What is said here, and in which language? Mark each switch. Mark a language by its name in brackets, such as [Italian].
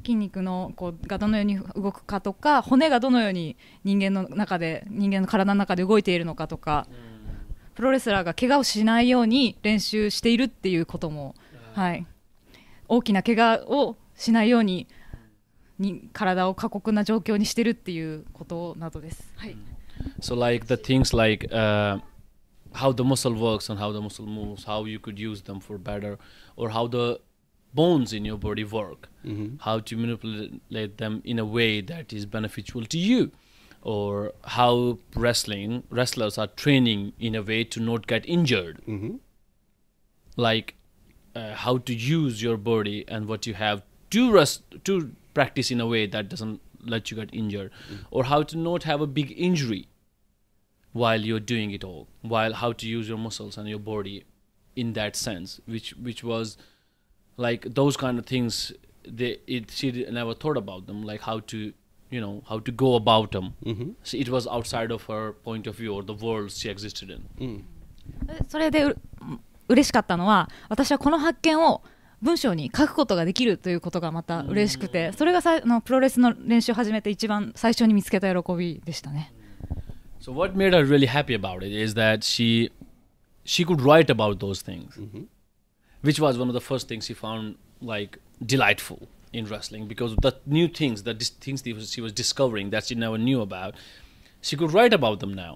[Japanese] 筋肉のこうがどのように動くかとか骨がどのように人間の体の中で動いているのかとか、mm. プロレスラーが怪我をしないように練習しているっていうことも、はい、大きな怪我をしないよう に体を過酷な状況にしているっていうことなどです、はい、 [English] So like the things like、 how the muscle works and how the muscle moves, how you could use them for better, or how the bones in your body work, mm-hmm. how to manipulate them in a way that is beneficial to you, or how wrestlers are training in a way to not get injured. Mm-hmm. Like how to use your body and what you have to practice in a way that doesn't let you get injured, mm-hmm. or how to not have a big injury while you're doing it all, while how to use your muscles and your body in that sense, which was like those kind of things she never thought about them, like how to, you know, how to go about them. Mm-hmm. So it was outside of her point of view or the world she existed in. [Japanese] それで嬉しかったのは、私はこの発見を文章に書くことができるということがまた嬉しくて、それがプロレスの練習を始めて一番最初に見つけた喜びでしたね。 [English] So what made her really happy about it is that she could write about those things, mm-hmm. which was one of the first things she found like delightful in wrestling, because the new things, the things she was discovering that she never knew about, she could write about them now.